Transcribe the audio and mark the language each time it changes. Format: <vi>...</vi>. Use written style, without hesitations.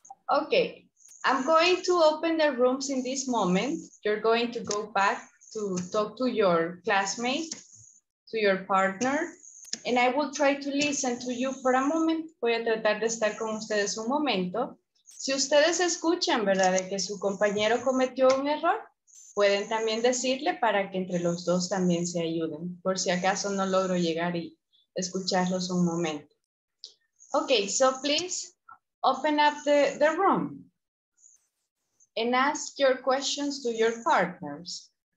<en>Okay, I'm going to open the rooms in this moment. You're going to go back to talk to your classmate, to your partner, and I will try to listen to you for a moment.</en> <es>Voy a tratar de estar con ustedes un momento. Si ustedes escuchan, ¿verdad?, de que su compañero cometió un error, pueden también decirle para que entre los dos también se ayuden, por si acaso no logro llegar y escucharlos un momento.</es> <en>Okay, so please open up the room and ask your questions to your partners.</en>